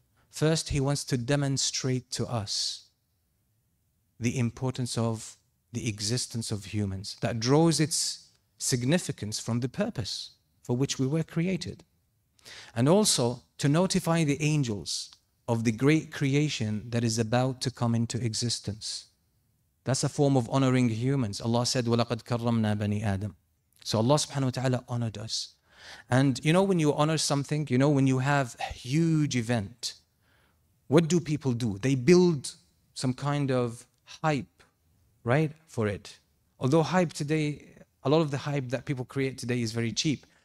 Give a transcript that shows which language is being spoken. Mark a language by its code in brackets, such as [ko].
[en] First, He wants to demonstrate to us the importance of the existence of humans that draws its significance from the purpose for which we were created. And also to notify the angels of the great creation that is about to come into existence. That's a form of honoring humans. Allah said, [ar] وَلَقَدْ كَرَّمْنَا بَنِي آدَمَ. [en] So Allah subhanahu wa ta'ala honored us. And you know when you honor something, you know when you have a huge event, what do people do? They build some kind of hype, right, for it. Although hype today, a lot of the hype that people create today is very cheap.